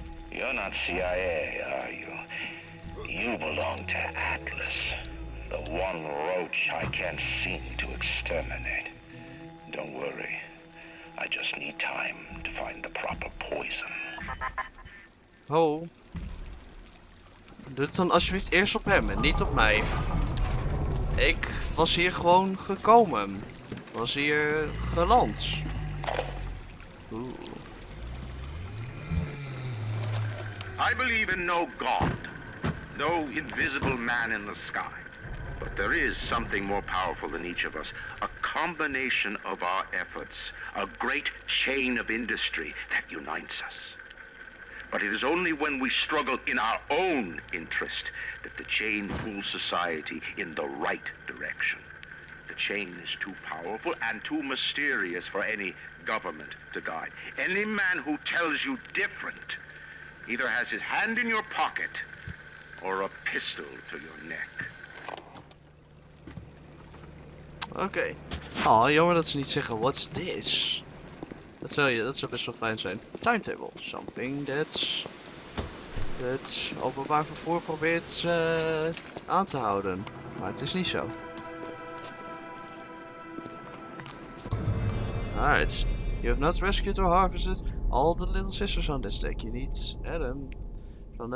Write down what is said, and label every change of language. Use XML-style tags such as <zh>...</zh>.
<en>You're not CIA, are you? You belong to Atlas, the one roach I can't seem to exterminate. Don't worry, I just need time to find the proper poison. Ho.</en> <nl>Doe het dan alsjeblieft eerst op hem en niet op mij. Ik was hier gewoon gekomen. Was hier geland.</nl> <en>I believe in no god, no invisible man in the sky. But there is something more powerful than each of us. A combination of our efforts, a great chain of industry that unites us. But it is only when we struggle in our own interest that the chain pulls society in the right direction. The chain is too powerful and too mysterious for any government to guide. Any man who tells you different either has his hand in your pocket or a pistol to your neck. Okay.</en> <nl>Oh, jammer dat ze niet zeggen,</nl> <en>what's this?</en> <nl>Dat zou je, dat zou best wel fijn zijn. Timetable.</nl> <en>Something that's</en> <nl>openbaar vervoer probeert aan te houden. Maar het is niet zo.</nl> <en>Alright, you have not rescued or harvested all the little sisters on this deck. You need Adam from the...</en>